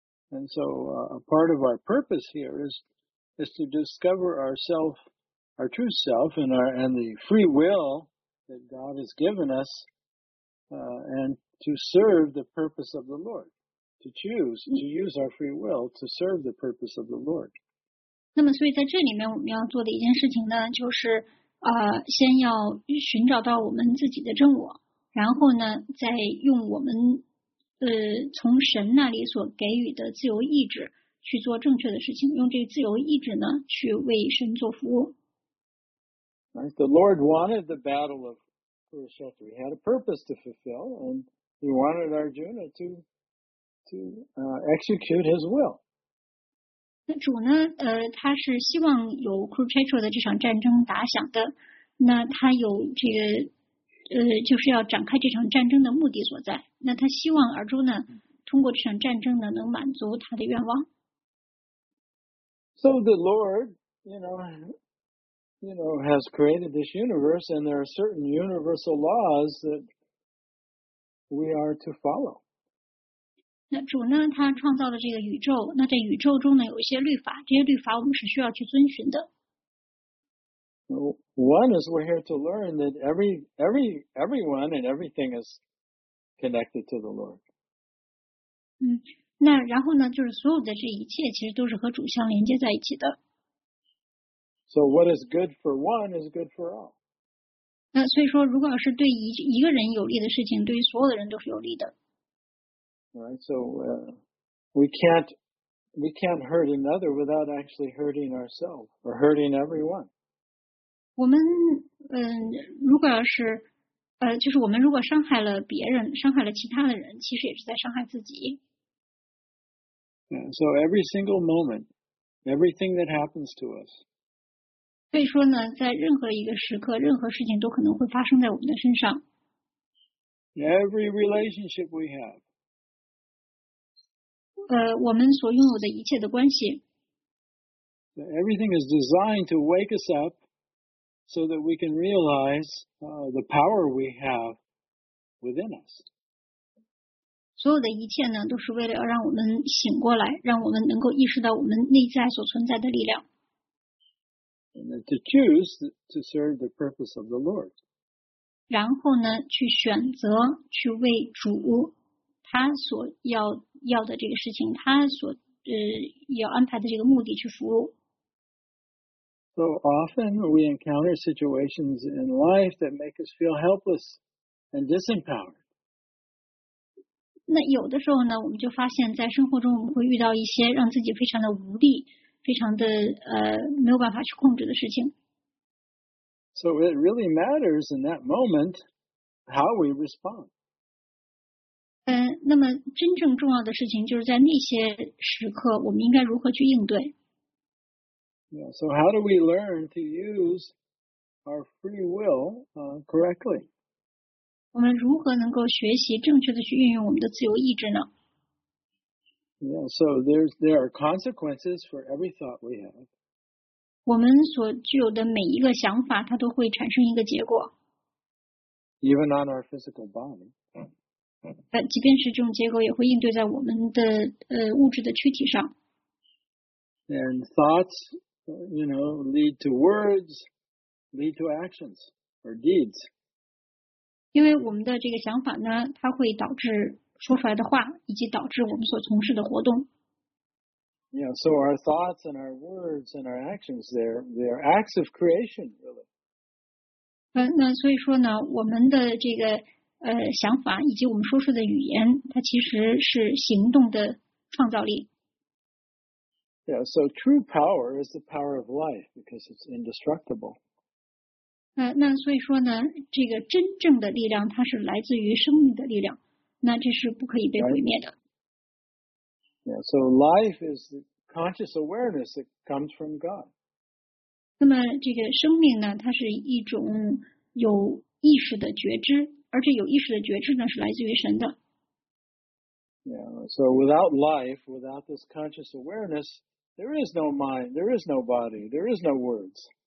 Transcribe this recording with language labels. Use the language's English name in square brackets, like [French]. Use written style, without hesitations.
[English] And so a part of our purpose here is to discover ourselves, our true self, and the free will that God has given us, and to serve the purpose of the Lord, to choose to use our free will to serve the purpose of the Lord. [Chinese] 那么，所以在这里面我们要做的一件事情呢，就是先要寻找到我们自己的真我。然后呢，再用我们从神那里所给予的自由意志去做正确的事情，用这个自由意志呢去为神做服务。 [English] Right, the Lord wanted the battle of Kurukshetra. He had a purpose to fulfill, and he wanted Arjuna to execute his will. [Chinese] 那主呢，他是希望有 Kurukshetra 的这场战争打响的，那他有这个。就是要展开这场战争的目的所在。那他希望尔朱呢，通过这场战争呢，能满足他的愿望。 [English] So the Lord, you know, has created this universe, and there are certain universal laws that we are to follow. [Chinese] 那主呢，他创造了这个宇宙。那在宇宙中呢，有一些律法，这些律法我们是需要去遵循的。 [English] One is we're here to learn that everyone and everything is connected to the Lord. [Chinese] 那然后呢，就是所有的这一切其实都是和主相连接在一起的。 [English] So what is good for one is good for all. [Chinese] 那所以说，如果要是对一个人有利的事情，对于所有的人都是有利的。 [English] Right, so we can't hurt another without actually hurting ourselves or hurting everyone. [Chinese] 我们如果要是就是我们如果伤害了别人，伤害了其他的人，其实也是在伤害自己。 [English] Yeah, so every single moment, everything that happens to us. [Chinese] 所以说呢，在任何一个时刻，任何事情都可能会发生在我们的身上。 [English] Every relationship we have. [Chinese] 我们所拥有的一切的关系。 [English] Everything is designed to wake us up. So that we can realize the power we have within us. [Chinese] 所有的一切呢，都是为了要让我们醒过来，让我们能够意识到我们内在所存在的力量。 [English] To choose to serve the purpose of the Lord. [Chinese] 然后呢，去选择去为主他所要的这个事情，他所要安排的这个目的去服务。 [English] So often we encounter situations in life that make us feel helpless and disempowered. [Chinese] 那有的时候呢，我们就发现，在生活中我们会遇到一些让自己非常的无力，非常的没有办法去控制的事情。 [English] So it really matters in that moment how we respond. [Chinese] 那么真正重要的事情就是在那些时刻，我们应该如何去应对。 [English] Yeah, so how do we learn to use our free will correctly? [Chinese] 我们如何能够学习正确的去运用我们的自由意志呢？ [English] Yeah, so there are consequences for every thought we have. [Chinese] 我们所具有的每一个想法，它都会产生一个结果。 [English] Even on our physical body. [Chinese] 即便是这种结果，也会应对在我们的物质的躯体上。 [English] And thoughts. You know, lead to words, lead to actions or deeds. [Chinese] 因为我们的这个想法呢，它会导致说出来的话，以及导致我们所从事的活动。 [English] Yeah, so our thoughts and our words and our actions, they're acts of creation, really. [Chinese] 那所以说呢，我们的这个想法以及我们说出的语言，它其实是行动的创造力。 [English] Yeah, so true power is the power of life because it's indestructible. [Chinese] 那所以说呢，这个真正的力量它是来自于生命的力量，那这是不可以被毁灭的。 [English] Yeah, so life is the conscious awareness that comes from God. [Chinese] 那么这个生命呢，它是一种有意识的觉知，而且有意识的觉知呢是来自于神的。 [English] Yeah, so without life, without this conscious awareness,There is no mind, there is no body, there is no words.